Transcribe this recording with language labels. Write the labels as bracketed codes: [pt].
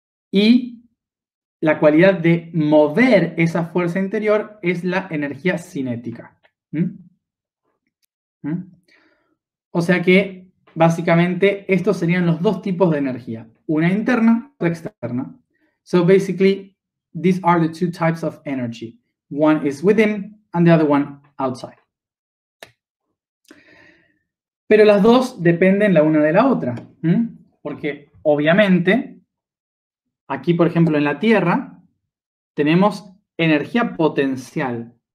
[es] Y la cualidad de mover esa fuerza interior es la energía cinética. O sea que Básicamente, estos serían los dos tipos de energía, una interna y otra externa. [en] So basically, these are the two types of energy. One is within and the other one outside. [es] Pero las dos dependen la una de la otra, porque obviamente, aquí por ejemplo en la Tierra, tenemos energía potencial.